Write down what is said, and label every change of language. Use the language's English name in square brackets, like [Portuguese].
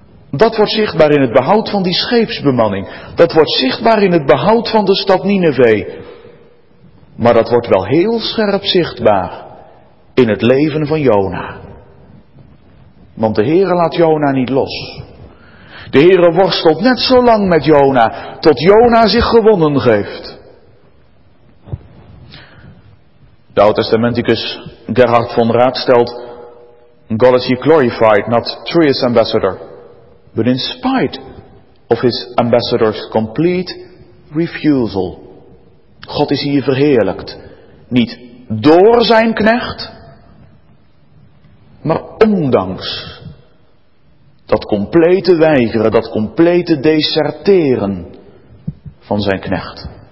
[Dutch] Dat wordt zichtbaar in het behoud van die scheepsbemanning. Dat wordt zichtbaar in het behoud van de stad Nineveh. Maar dat wordt wel heel scherp zichtbaar in het leven van Jona. Want de Heere laat Jona niet los. De Heere worstelt net zo lang met Jona, tot Jona zich gewonnen geeft. De oud-testamenticus Gerhard von Raad stelt: [English] God is glorified, not through his ambassador, but in spite of his ambassador's complete refusal. [Dutch] God is hier verheerlijkt, niet door zijn knecht, maar ondanks dat complete weigeren, dat complete deserteren van zijn knecht.